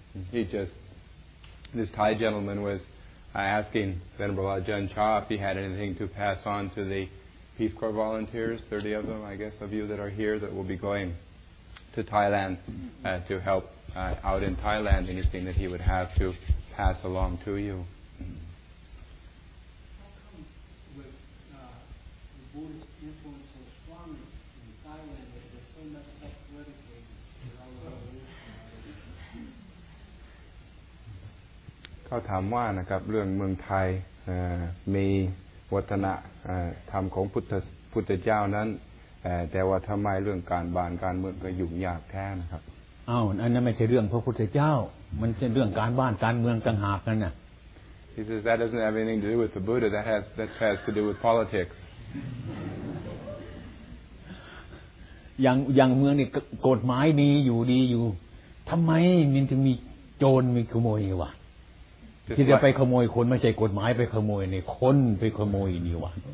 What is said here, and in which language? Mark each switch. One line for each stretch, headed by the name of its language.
English: He just, this Thai gentleman was asking Venerable Ajahn Chah if he had anything to pass on to the Peace Corps volunteers, 30 of them, I guess, of you that are here that will be going to Thailand to help out in Thailand, anything that he would have to pass along to you. How come with the Buddhist influence so strong in Thailand that there's so much self-critic in all the
Thai: เขาถามว่านะครับเรื่องเมืองไทยมีวัฒนธรรมของพุทธเจ้านั้นแต่ว่าทำไมเรื่องการบานการเมืองก็ยุ่งยากแท้นะครับ อ้าวอันนั้นไม่ใช่เรื่องพระพุทธเจ้ามันเป็นเรื่องการบ้านการเมืองต่างหากนั่นน่ะ
English: He says that doesn't have anything to do with the Buddha that has to do with politics
Thai: อย่างเมืองนี่กฎหมายดีอยู่ดีอยู่ทำไมมันถึงมีโจรมีขโมยวะที่จะไปขโมยคนไม่ใช่กฎหมายไปขโมยนี่คนไปขโมยนี่วะ